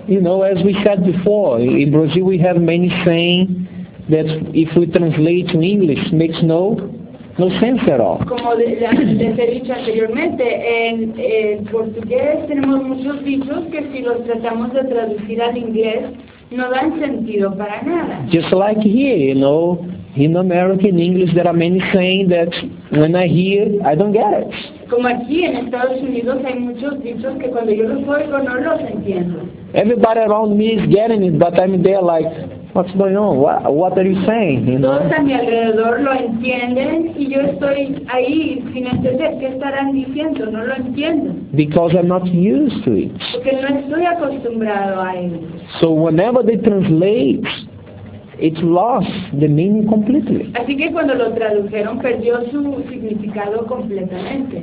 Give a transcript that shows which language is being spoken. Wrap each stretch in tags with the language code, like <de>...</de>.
<en>You know, as we said before, in Brazil we have many saying that if we translate to English, makes no sense at all.</en> <es>Como les he dicho anteriormente, en portugués tenemos muchos dichos que si los tratamos de traducir al inglés, no dan sentido para nada.</es> <en>Just like here, you know, in American English there are many saying that when I hear, I don't get it.</en> <es>Como aquí en Estados Unidos hay muchos dichos que cuando yo los oigo no los entiendo.</es> <en>Everybody around me is getting it, but I'm there like, what's going on? What are you saying? You know?</en> <es>Todos a mi alrededor lo entienden y yo estoy ahí sin entender qué estarán diciendo. No lo entiendo.</es> <en>Because I'm not used to it.</en> <es>Porque no estoy acostumbrado a él.</es> <en>So whenever they translate, it lost the meaning completely.</en> <es>Así que cuando lo tradujeron perdió su significado completamente.</es>